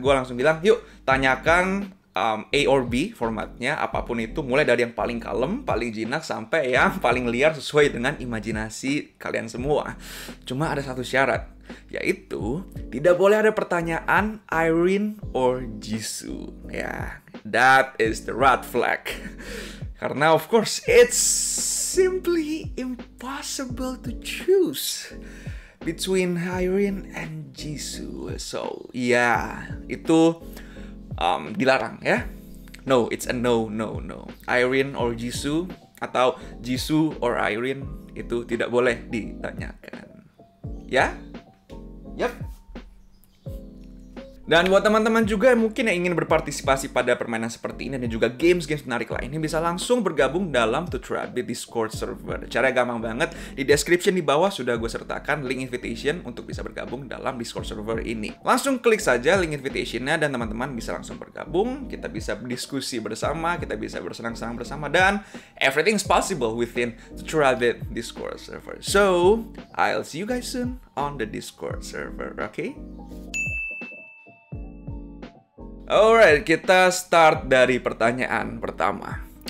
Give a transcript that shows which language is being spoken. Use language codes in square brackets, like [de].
[id] Gue langsung bilang, yuk tanyakan A or B formatnya, apapun itu. Mulai dari yang paling kalem, paling jinak, sampai yang paling liar sesuai dengan imajinasi kalian semua. Cuma ada satu syarat, yaitu tidak boleh ada pertanyaan Irene or Jisoo. [en] Ya, that is the red flag. [id] Karena [en] of course it's simply impossible to choose between Irene and Jisoo. [id] So yeah, itu dilarang ya. [en] No, it's a no, no, no. Irene or Jisoo atau Jisoo or Irene, [id] itu tidak boleh ditanyakan. [en] Ya? Yep. [id] Dan buat teman-teman juga yang mungkin ingin berpartisipasi pada permainan seperti ini dan juga games-games menarik lainnya, bisa langsung bergabung dalam Tuturabit Discord server. Caranya gampang banget, di description di bawah sudah gue sertakan link invitation untuk bisa bergabung dalam Discord server ini. Langsung klik saja link invitation-nya dan teman-teman bisa langsung bergabung, kita bisa berdiskusi bersama, kita bisa bersenang-senang bersama, dan [en] everything is possible within Tuturabit Discord server. So, I'll see you guys soon on the Discord server, okay? [id] Alright, kita start dari pertanyaan pertama.